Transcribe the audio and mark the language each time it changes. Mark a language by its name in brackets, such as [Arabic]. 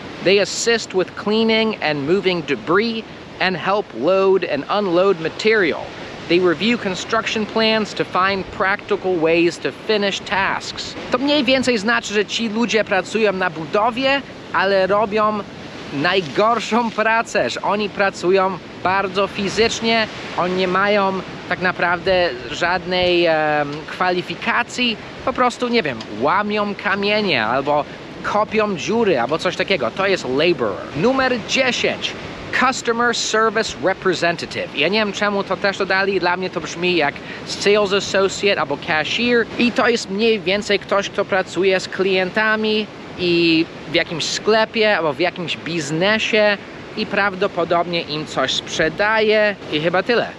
[English] They assist with cleaning and moving debris and help load and unload material. They review construction plans to find practical ways to finish tasks. [Polish] To mniej więcej znaczy, że ci ludzie pracują na budowie, ale robią najgorszą pracę, że oni pracują bardzo fizycznie, oni nie mają tak naprawdę żadnej kwalifikacji, po prostu, nie wiem, łamią kamienie, albo kopią dziury, albo coś takiego. To jest laborer. Numer 10. [English] Customer Service Representative. [Polish] Ja nie wiem, czemu to też dodali, dla mnie to brzmi jak Sales Associate albo Cashier. I to jest mniej więcej ktoś, kto pracuje z klientami i w jakimś sklepie albo w jakimś biznesie i prawdopodobnie im coś sprzedaje i chyba tyle.